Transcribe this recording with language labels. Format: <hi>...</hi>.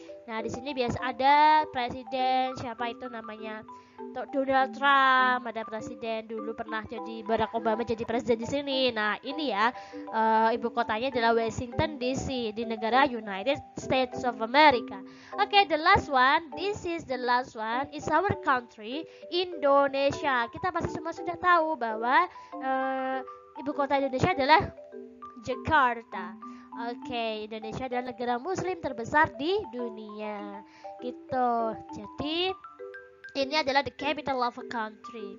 <id>Nah, di sini biasa ada presiden, siapa itu namanya, Donald Trump, ada presiden dulu pernah jadi Barack Obama jadi presiden di sini. Nah, ini ya ibu kotanya adalah Washington DC di negara United States of America.</id> <en>Okay, the last one, this is the last one, is our country Indonesia.</en> <id>Kita pasti semua sudah tahu bahwa ibu kota Indonesia adalah Jakarta. Okay, Indonesia adalah negara Muslim terbesar di dunia. Gitu, jadi ini adalah</id> <en>the capital of a country.</en>